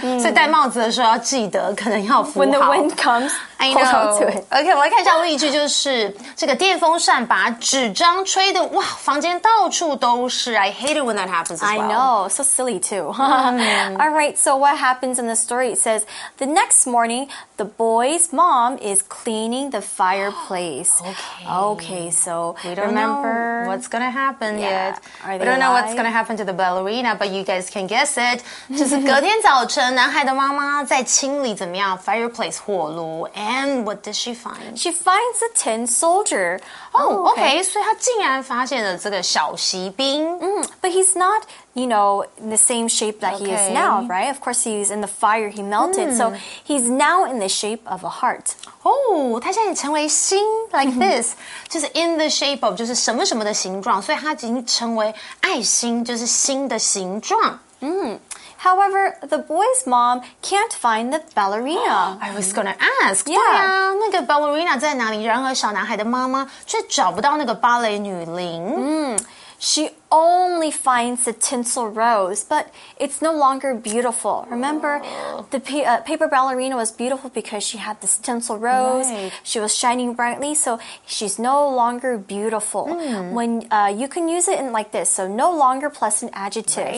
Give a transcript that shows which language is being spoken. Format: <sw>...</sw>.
<zh>Okay， 所以戴帽子的时候要记得，可能要扶好。</zh> <en>When the wind comes， I know。</en> <zh>Okay， 我来看一下例句，就是这个电风扇把纸张吹的哇，房间到处。</zh> <en>I hate it when that happens as well. I know, so silly too. Alright, so what happens in the story? It says, the next morning, the boy's mom is cleaning the fireplace. Okay, so we don't know what's going to happen yet. We don't know what's going to happen to the ballerina, but you guys can guess it.</en> <zh>就是隔天早晨，男孩的妈妈在清理怎么样 fireplace 火炉</zh> <en>and what does she find? She finds a tin soldier.</en> <zh>Okay, 所以她竟然发现了这个小锡兵。</zh> <en>But he's not, you know, in the same shape that he is now, right? Of course, he's in the fire, he melted, so he's now in the shape of a heart.</en> <zh>Oh, 他现在成为心</zh> <en>like this,</en> <zh>就是</zh> <en>in the shape of,</en> <zh>就是什么什么的形状，所以他已经成为爱心，就是心的形状。</zh> <en>However, the boy's mom can't find the ballerina. I was going to ask. Yeah.</en> <zh>对啊，那个</zh> <en>ballerina</en> <zh>在哪里？然而小男孩的妈妈却找不到那个芭蕾女伶。</zh> <en>She only finds the tinsel rose, but it's no longer beautiful. Remember, the paper ballerina was beautiful because she had this tinsel rose. Right. She was shining brightly, so she's no longer beautiful. When you can use it in like this, so no longer plus an adjective.</en>